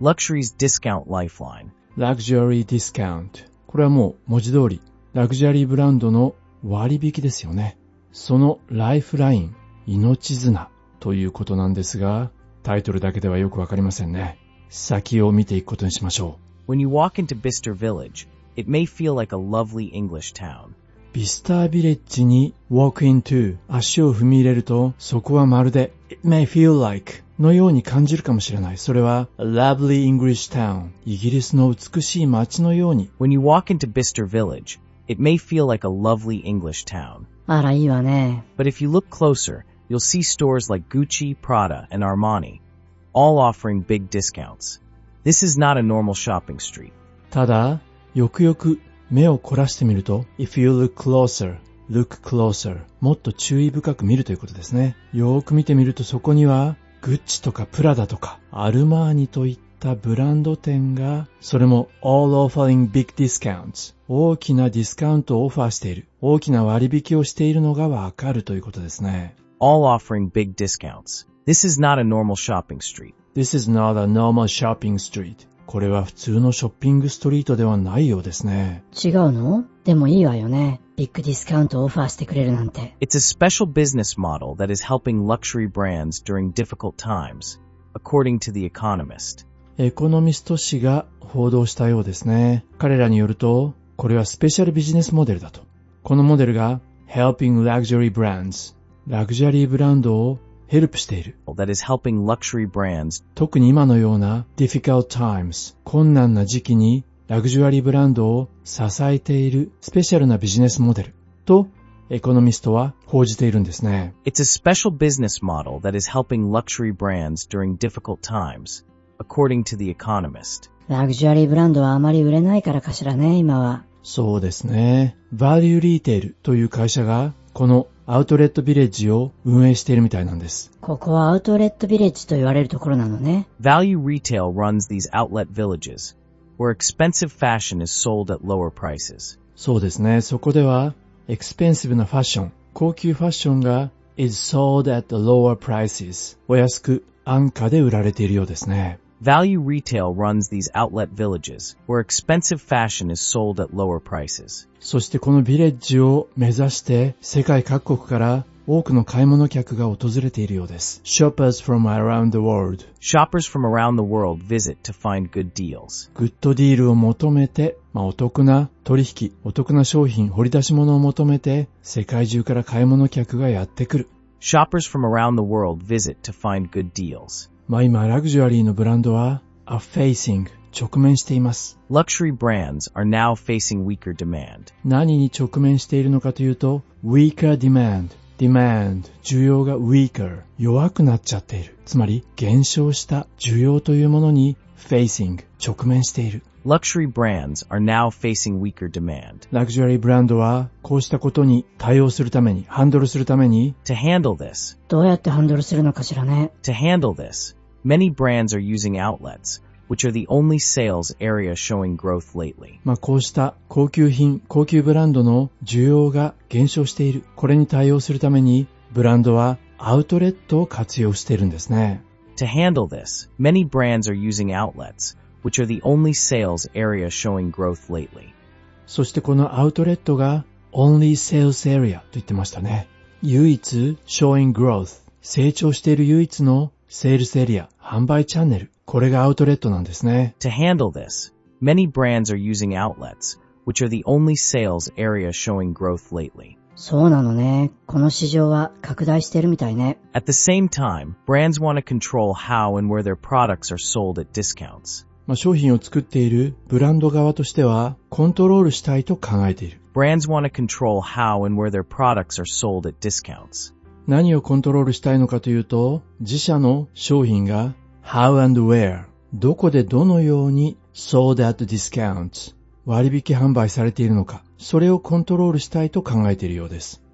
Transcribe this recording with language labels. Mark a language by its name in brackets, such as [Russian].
[English] Luxury's Discount Lifeline。 [Japanese] Luxury Discount、これはもう文字通りラグジュアリーブランドの割引ですよね。そのライフライン、命綱ということなんですが、タイトルだけではよくわかりませんね。先を見ていくことにしましょう。 [English] When you walk into Bicester Village, it may feel like a lovely English town. [Japanese] ビスタービレッジに [English] walk into [Japanese] 足を踏み入れると、そこはまるで [English] it may feel like [Japanese] のように感じるかもしれない。それは [English] a lovely English town、 [Japanese] イギリスの美しい街のように。 [English] When you walk into Bicester Village, it may feel like a lovely English town. [Japanese] あら、いいわね。 [English] But if you look closer, you'll see stores like Gucci, Prada and Armani, all offering big discounts. This is not a normal shopping street. [Japanese] ただ、よくよく目を凝らしてみると、 [English] If you look closer, look closer、 [Japanese] もっと注意深く見るということですね。よく見てみると、そこにはグッチとかプラダとかアルマーニといったブランド店が、それも [English] all offering big discounts、 [Japanese] 大きなディスカウントをオファーしている、大きな割引をしているのがわかるということですね。 [English] all offering big discounts. This is not a normal shopping street. This is not a normal shopping street. [Japanese] これは普通のショッピングストリートではないようですね。違うの？でもいいわよね、ビッグディスカウントをオファーしてくれるなんて。 [English] It's a special business model that is helping luxury brands during difficult times, according to The Economist. [Japanese] エコノミスト氏が報道したようですね。彼らによると、これはスペシャルビジネスモデルだと。このモデルが [English] helping luxury brands、 [Japanese] ラグジュアリーブランドをヘルプしている。 [English] That is helping luxury brands. [Japanese] 特に今のような [English] difficult times、 [Japanese] 困難な時期にラグジュアリーブランドを支えているスペシャルなビジネスモデルとエコノミストは報じているんですね。 [English] It's a special business model that is helping luxury brands during difficult times, according to The Economist. [Japanese] ラグジュアリーブランドはあまり売れないからかしらね、今は。そうですね。バリューリーテールという会社がこのアウトレットビレッジを運営しているみたいなんです。ここはアウトレットビレッジと言われるところなのね。 [English] バリューリーテール runs these outlet villages. Where expensive fashion is sold at lower prices. [Japanese] そうですね。そこでは、 [English] expensive [Japanese] なファッション、高級ファッションが [English] is sold at the lower prices。 [Japanese] お安く、安価で売られているようですね。 [English] Value retail runs these outlet villages, where expensive fashion is sold at lower prices. [Japanese] そしてこのビレッジを目指して、世界各国から多くの買い物客が訪れているようです。 [English] Shoppers from around the world. Shoppers from around the world visit to find good deals. [Japanese] グッドディールを求めて、まあ、お得な取引、お得な商品、掘り出し物を求めて、世界中から買い物客がやってくる。 [English] Shoppers from around the world visit to find good deals. [Japanese] まあ今、ラグジュアリーのブランドは、 [English] are facing、 [Japanese] 直面しています。 [English] Luxury brands are now facing weaker demand. [Japanese] 何に直面しているのかというと、 [English] weaker demand。 Demand、 [Japanese] 需要が [English] weaker、 [Japanese] 弱くなっちゃっている、つまり減少した需要というものに [English] facing [Japanese] 直面している。 [English] Luxury brands are now facing weaker demand. [Japanese] Luxury ブランドはこうしたことに対応するために、ハンドルするために [English] To handle this. [Japanese] どうやってハンドルするのかしらね。 [English] To handle this, many brands are using outlets. Which are the only sales area showing growth lately. [Japanese] まあこうした高級品、高級ブランドの需要が減少している。これに対応するために、ブランドはアウトレットを活用しているんですね。 [English] To handle this, many brands are using outlets, which are the only sales area showing growth lately. [Japanese] そしてこのアウトレットが [English] only sales area [Japanese] と言ってましたね。唯一 [English] showing growth、 [Japanese] 成長している唯一のセールスエリア、販売チャンネル。これがアウトレットなんですね。 [English] To handle this, many brands are using outlets, which are the only sales area showing growth lately. [Japanese] そうなのね。この市場は拡大してるみたいね。 [English] At the same time, brands want to control how and where their products are sold at discounts. [Japanese] まあ商品を作っているブランド側としてはコントロールしたいと考えている。 [English] Brands want to control how and where their products are sold at discounts. [Japanese] 何をコントロールしたいのかというと、自社の商品が [English] How and where? [Japanese] どこでどのように [English] sold at discounts? [Japanese] 割引販売されているのか、それをコントロールしたいと考えているようです。